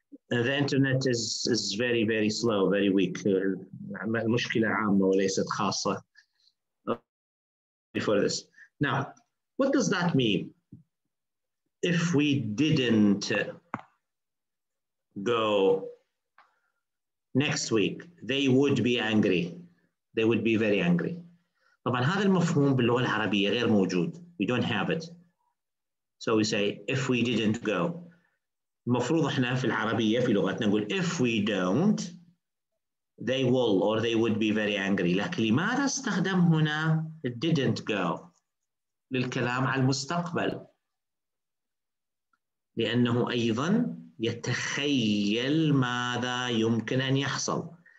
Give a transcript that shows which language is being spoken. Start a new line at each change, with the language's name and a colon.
English: The internet is very, very slow, very weak.
Arabic: المشكلة عامة وليست خاصة.
English: Before this. Now, what does that mean? If we didn't go next week, they would be angry. They would be very angry.
Arabic: طبعا هذا المفهوم باللغة العربية غير موجود.
English: We don't have it. So we say, if we didn't go.
Arabic: المفروض احنا في العربية في لغتنا نقول
English: if we don't they will or they would be very angry.
Arabic: لكن لماذا استخدم هنا
English: didn't go
Arabic: للكلام على المستقبل؟ لأنه أيضا يتخيل ماذا يمكن أن يحصل.